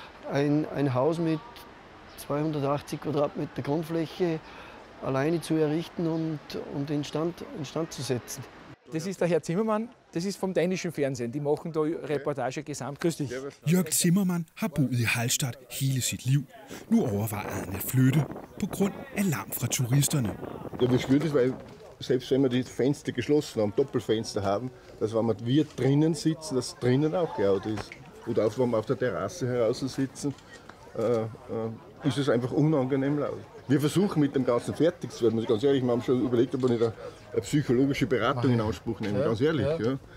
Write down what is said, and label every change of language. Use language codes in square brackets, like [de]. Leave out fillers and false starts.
[de] Ein Haus mit 280 Quadratmeter Grundfläche alleine zu errichten und instand zu setzen. Das ist der Herr Zimmermann, das ist vom dänischen Fernsehen. Die machen da Reportage gesamt. Grüß dich. [da] Jörg Zimmermann har boet i Hallstatt hele sit liv. Nu overvejer han at flytte på grund af larm fra turisterne. [de] Ja, wir spüren das, weil selbst wenn wir die Fenster geschlossen haben, Doppelfenster haben, dass wenn wir drinnen sitzen, dass drinnen auch laut ist. Oder auch wenn wir auf der Terrasse heraus sitzen, ist es einfach unangenehm laut. Wir versuchen mit dem Ganzen fertig zu werden. Also ganz ehrlich, wir haben schon überlegt, ob wir nicht eine psychologische Beratung in Anspruch nehmen. Ganz ehrlich, ja.